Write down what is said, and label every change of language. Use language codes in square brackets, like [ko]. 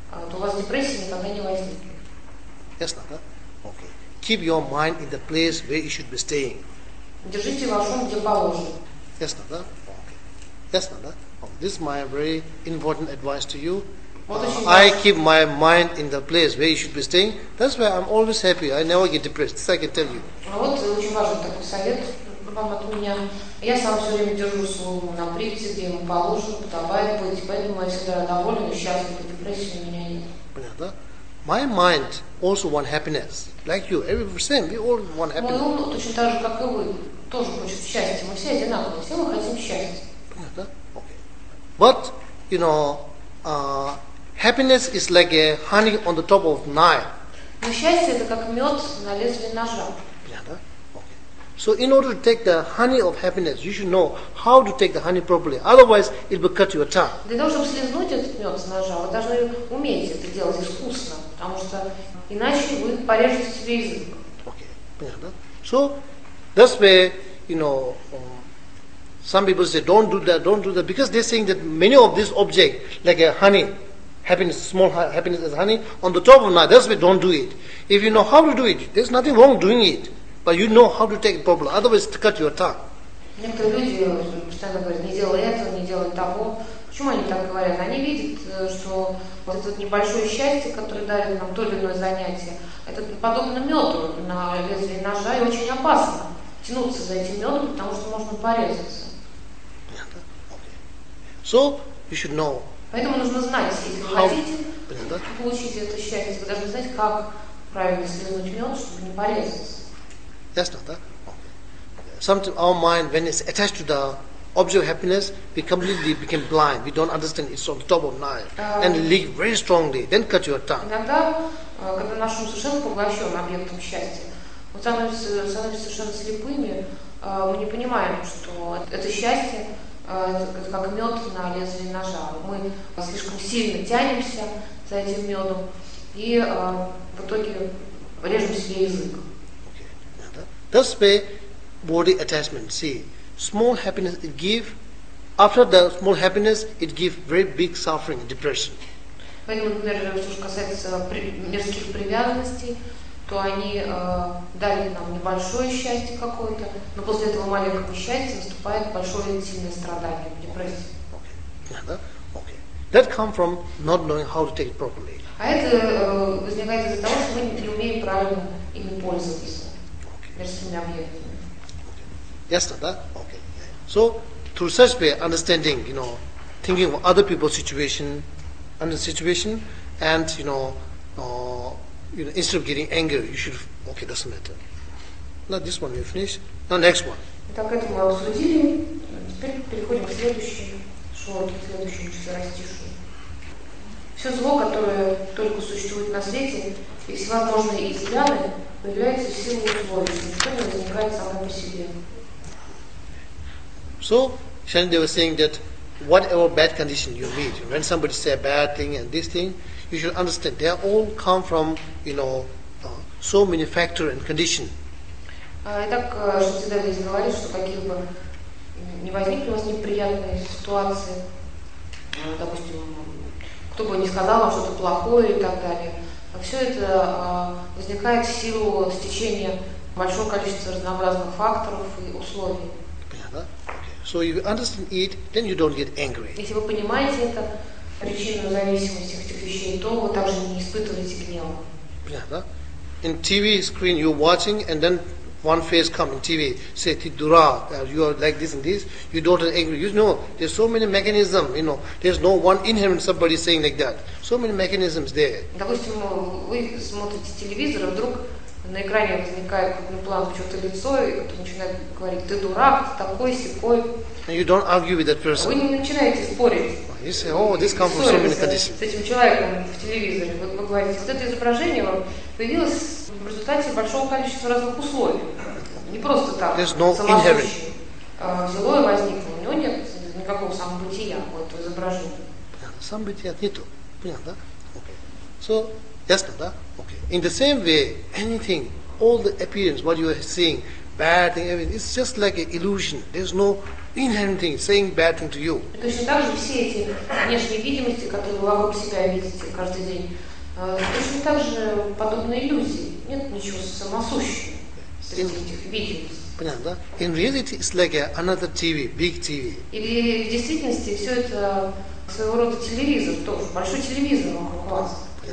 [ru] то у вас депрессии никогда не возникнет. Ясно, да? Okay. [en] Keep your mind in the place where you should be staying. [ru] Держите ваш ум где положено. Ясно, да? Okay. Ясно, да? Okay. [en] This is my very important advice to you. I keep my mind in the place where you should be staying. That's why I'm always happy. I never get depressed. This I can tell you. [ru] Вот очень важный такой совет вам от меня. Я сам все время держу свой ум на привязи, где ему положено, подобает быть. Поэтому я всегда доволен и счастлив. Депрессии у меня нет. Понятно, да? [en] My mind also want happiness. Like you. Every same. We all want happiness. [ru] Мой ум точно так же, как и вы. Тоже хочет счастья. Мы все одинаковые. Все мы хотим счастья. Понятно, да? Okay. [en] But, you know, happiness is like a honey on the top of Nile. [ru] Но счастье это как мед на лезвие ножа. Понятно? Да? Okay. [en] So in order to take the honey of happiness, you should know how to take the honey properly. Otherwise, it will cut your tongue. [ru] Для того, чтобы слезнуть этот мед с ножа, вы должны уметь это делать искусно, потому что иначе вы порежете себе язык. Okay. Понятно? Да? [en] So that's where, you know, some people say, don't do that, don't do that, because they're saying that many of these objects, like a honey, happiness, small happiness as honey, on the top of the night, that's why don't do it. If you know how to do it, there's nothing wrong doing it, but you know how to take it properly, otherwise to cut your tongue. [ru] Некоторые люди постоянно говорят, не делай этого, не делай того. Почему они так говорят? Они видят, что вот это небольшое счастье, которое дарит нам то или иное занятие, это подобно меду на лезвие ножа, и очень опасно тянуться за этим медом, потому что можно порезаться. [en] So you should know. [ru] Поэтому нужно знать, если вы хотите получить это счастье, вы должны знать, как правильно слезнуть мед, чтобы не порезаться. Ясно, да? Okay. [en] Sometimes our mind, when it's attached to the object of happiness, we completely become blind. We don't understand. It's on the top of knife and leak very strongly. Then cut your tongue. [ru] Иногда, когда наш ум совершенно поглощен объектом счастья, мы становимся совершенно слепыми. Мы не понимаем, что это счастье. Это как мед на лезвие ножа. Мы слишком сильно тянемся за этим медом и в итоге режем себе язык. [en] Okay. That's where body attachment. See, small happiness it give. After the small happiness, it give very big suffering, depression. [ru] Поэтому, например, что касается мирских привязанностей, то они дали нам небольшое счастье какое-то, но после этого маленького счастья наступает большое и сильное страдание, депрессия. [en] Okay. Yeah, okay. That come from not knowing how to take it properly. [ru] А это возникает из-за того, что мы не умеем правильно ими пользоваться, мирскими объектами. Ясно, да? Okay. [en] So, through such way, understanding, you know, thinking of other people's situation, under situation, and, you know, you know, instead of getting angry, you should, okay, doesn't matter. Now this one we finish. Now next one. [ru] Итак, это мы обсудили. Теперь переходим к следующему шорту, к следующему растишу. Все зло, которое только существует на свете, и всевозможные изъяны, появляются в силу условий, что не возникает само по себе. [en] So, Shani, they were saying that whatever bad condition you meet, when somebody say a bad thing and this thing, you should understand they all come from, you know, so many factors and conditions. [ru] Итак, Шанти-дева здесь говорит, что какие бы не возникли у вас неприятные ситуации, допустим, кто бы не сказал вам что-то плохое и так далее, все это возникает в силу стечения большого количества разнообразных факторов и условий. [en] So if you understand it, then you don't get angry. [ru] Если вы понимаете это, причину зависимости этих вещей, то вы также не испытываете гнева. [en] Yeah, [ru] да? [en] In TV screen you're watching, and then one face come in TV, say, [ru] ты дурак, [en] you are like this and this, you don't get angry. You know, there's so many mechanisms, you know, there's no one inherent somebody saying like that. So many mechanisms there. [ru] Допустим, вы смотрите телевизор, а вдруг на экране возникает крупный план чьё-то лицо, и кто-то начинает говорить, ты дурак, ты такой, сякой. [en] And you don't argue with that person. [ru] Вы не начинаете спорить. [en] You say, oh, this comes from so many conditions. [ru] С этим человеком в телевизоре. Вы говорите, вот это изображение вам появилось в результате большого количества разных условий. Не просто так. [en] There's no inherent. [ru] Злое возникло. У него нет никакого самобытия у этого изображения. Самобытия нету. Понятно, да? Okay. [en] So, [ru] ясно, да? [en] Okay. In the same way, anything, all the appearance, what you are seeing, bad thing. I mean, it's just like an illusion. There's no inherent thing saying bad thing to you. [ru] Точно так же все эти внешние видимости, которые вы вокруг себя видите каждый день, точно так же подобные иллюзии. Нет ничего самосущего среди этих видимостей. Понятно, да? [en] In reality, it's like another TV, big TV. [ru] Или в действительности все это своего рода телевизор, тоже большой телевизор вокруг вас.